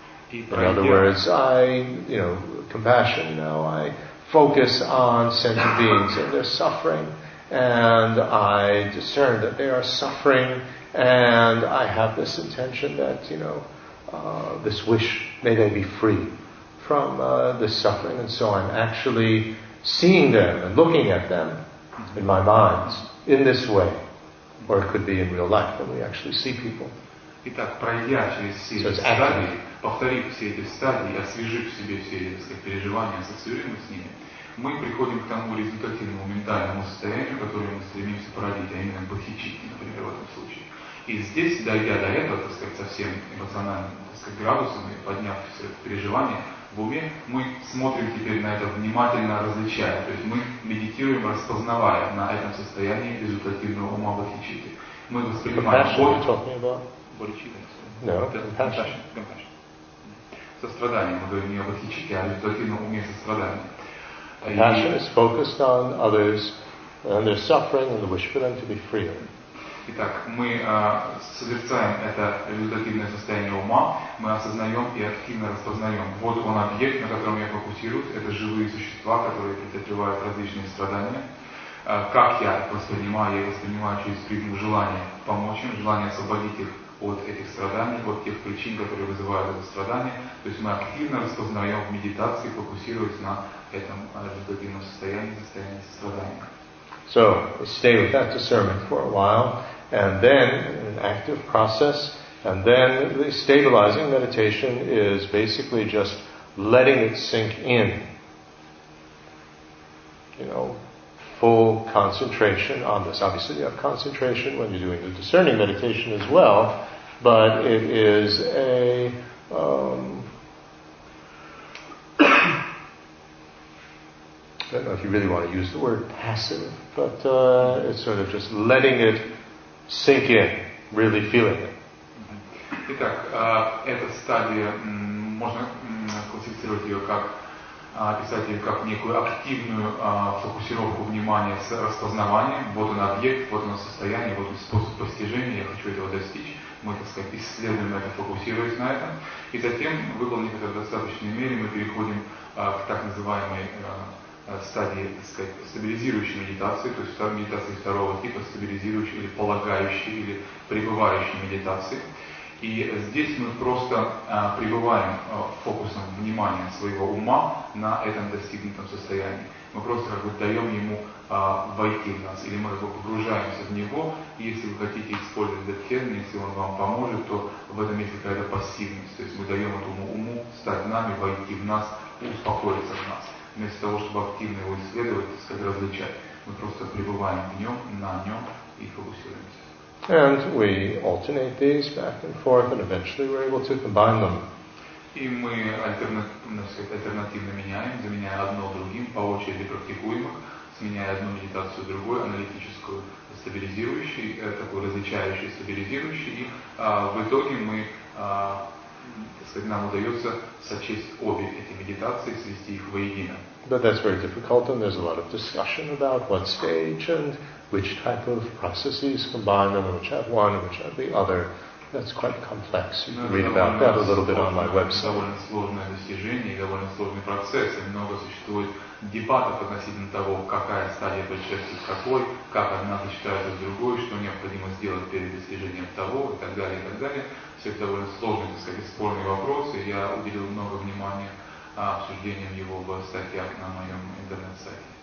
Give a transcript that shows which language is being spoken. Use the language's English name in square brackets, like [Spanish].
[English] In other words, compassion, now I focus on sentient beings and their suffering, and I discern that they are suffering, and I have this intention that, this wish, may they be free from the suffering, and so I'm actually seeing them and looking at them in my mind in this way, or it could be in real life when we actually see people. [Russian] Итак, пройдя через все эти стадии, повторив все эти стадии, освежив в себе все эти переживания, ассоциируемые с ними, мы приходим к тому результативному ментальному состоянию, которое мы стремимся породить, а именно бодхичитти, например, в этом случае. И здесь, дойдя до этого, так сказать, со всем эмоциональным, так сказать, градусом и подняв все это переживание в уме, мы смотрим теперь на это внимательно, различая. То есть мы медитируем, распознавая на этом состоянии результативного ума бодхичитти. Мы воспринимаем [English] compassion. [Russian] Сострадание. Мы говорим не о бодхичитти, а о результативном уме сострадания. [English] Compassion is focused on others and their suffering and the wish for them to be free. [Russian] Итак, мы созерцаем это результативное состояние ума, мы осознаем и активно распознаем. Вот он объект, на котором я фокусируюсь, это живые существа, которые претерпевают различные страдания. Как я воспринимаю? Я воспринимаю через призму желания помочь им, желание освободить их от этих страданий, от тех причин, которые вызывают это страдание. То есть мы активно распознаем в медитации, фокусируясь на этом результативном состоянии, состоянии страдания. [English] So, stay with that discernment for a while, and then, an active process, and then the stabilizing meditation is basically just letting it sink in. Full concentration on this. Obviously, you have concentration when you're doing the discerning meditation as well, but it is a I don't know if you really want to use the word passive, but it's sort of just letting it sink in, really feeling it. [Russian] Итак, эта стадия можно классифицировать ее как описать ее как некую активную фокусировку внимания с распознаванием. Вот он объект, вот оно состояние, вот он способ постижения, я хочу этого достичь. Мы, так сказать, исследуем это, фокусируясь на этом. И затем, выполнив это в достаточной мере, мы переходим к так называемой стадии, так сказать, стабилизирующей медитации, то есть медитации второго типа, стабилизирующей или полагающей, или пребывающей медитации. И здесь мы просто пребываем фокусом внимания своего ума на этом достигнутом состоянии. Мы просто как бы даем ему войти в нас, или мы как бы погружаемся в него. И если вы хотите использовать этот термин, если он вам поможет, то в этом есть какая-то пассивность. То есть мы даем этому уму стать нами, войти в нас, успокоиться в нас. Вместо того, чтобы активно его исследовать, так сказать, различать, мы просто пребываем в нем, на нем и фокусируемся. [English] And we alternate these back and forth, and eventually we're able to combine them. [Russian] И мы альтернативно меняем, заменяя одно другим, по очереди практикуемых, сменяя одну медитацию другую, аналитическую, стабилизирующую, такую различающую, стабилизирующую, и в итоге мы так сказать, нам удается сочесть обе эти медитации, свести их воедино. [English] But that's very difficult, and there's a lot of discussion about what stage and which type of processes combine them, which have one, which have the other. That's quite complex. You can read about that a little bit on my website. [Russian] Довольно сложное достижение, довольно сложный процесс, и много существует дебатов относительно того, какая стадия предшествует какой, как одна сочетается с другой, что необходимо сделать перед достижением того, и так далее, и так далее. Все это довольно сложные, так сказать, спорные вопросы. Я уделил много внимания обсуждением его в статьях на моем интернет-сайте.